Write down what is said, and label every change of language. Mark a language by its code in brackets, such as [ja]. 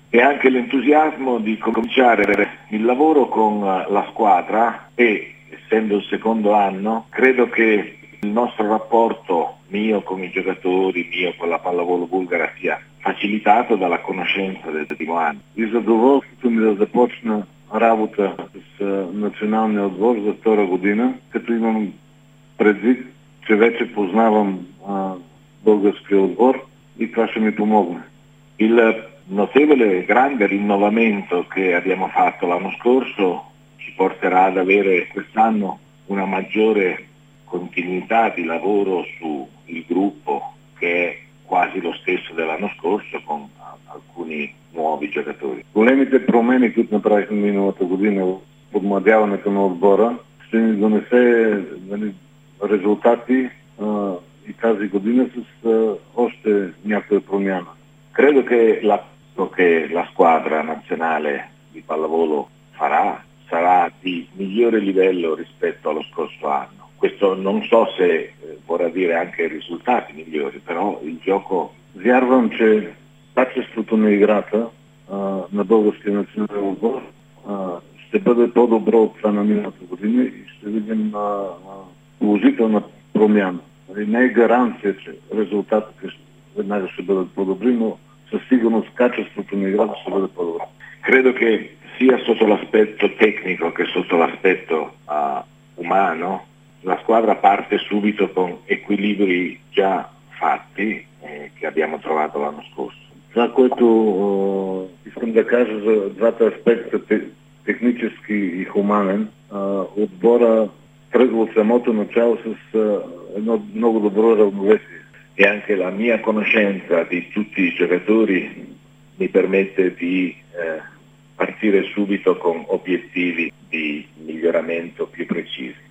[it] E anche l'entusiasmo di cominciare il lavoro con la squadra e, essendo il secondo anno, credo che il nostro rapporto mio con i giocatori, mio con la pallavolo bulgara, sia facilitato dalla conoscenza del primo anno. [bg] Izadovoljstvo mi da započna работа с националния отбор за втора година, като имам предвид, че вече познавам българския отбор и това ще ми помогне. [it] Il notevole grande rinnovamento che abbiamo fatto l'anno scorso ci porterà ad avere quest'anno una maggiore continuità di lavoro sul gruppo, che è quasi lo stesso dell'anno scorso, con alcuni [bg] нови жагатори. Големите промени, които направихме миналата година в подмладяването на отбора, ще ни донесе резултати и тази година с още някоя промяна. [it] Credo che la squadra nazionale di pallavolo sarà di migliore livello rispetto allo scorso anno. Questo non so se vorrà dire anche risultati migliori, però il gioco... [bg] Вярвам, че качеството на играта на българския национален отбор ще бъде по-добро от това на миналата година и ще видим положителна промяна. Не е гаранция, че резултатите веднага ще бъдат по-добри, но със сигурност качеството на играта ще бъде по-добро. [it] Credo che sia sotto l'aspetto tecnico che sotto l'aspetto umano la squadra parte subito con equilibri già fatti che abbiamo trovato l'anno scorso. [bg] Това, което искам да кажа за двата аспекта, технически и хуманен, отбора тръгва от самото начало с едно много добро равновесие. [it] И anche la mia conoscenza di tutti i giocatori mi permette di partire subito con obiettivi di miglioramento più precisi.